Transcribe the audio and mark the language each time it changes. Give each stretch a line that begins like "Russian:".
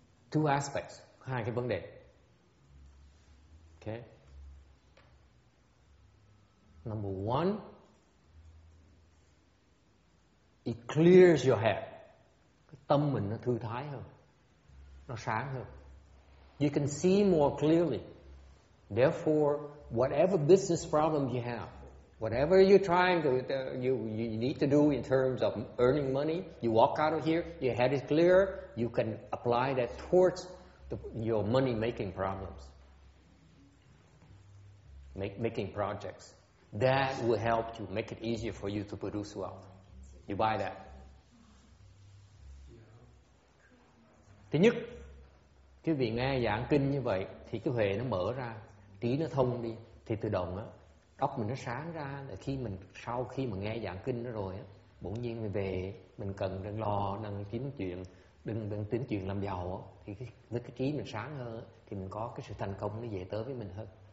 English: Two aspects,
Vietnamese: hai cái vấn đề.
English: Okay. Number one, it clears your head.
Vietnamese: Cái tâm mình nó thư thái hơn. Nó sáng hơn.
English: You can see more clearly. Therefore, whatever business problem you have, whatever you're trying to you need to do in terms of earning money, you walk out of here, your head is clear, you can apply that towards your money making problems. Making projects. That will help you make it easier for you to produce wealth. You buy that.
Vietnamese: Thứ nhất, cái vị nghe giảng kinh như vậy thì cái huệ nó mở ra, trí nó thông đi, thì tự động á óc mình nó sáng ra, là khi mình sau khi mà nghe giảng kinh nó rồi á, bỗng nhiên mình về mình cần đang lo đang kiếm chuyện, đừng tính chuyện làm giàu á, thì với cái trí mình sáng hơn á, thì mình có cái sự thành công nó dễ tới với mình hơn.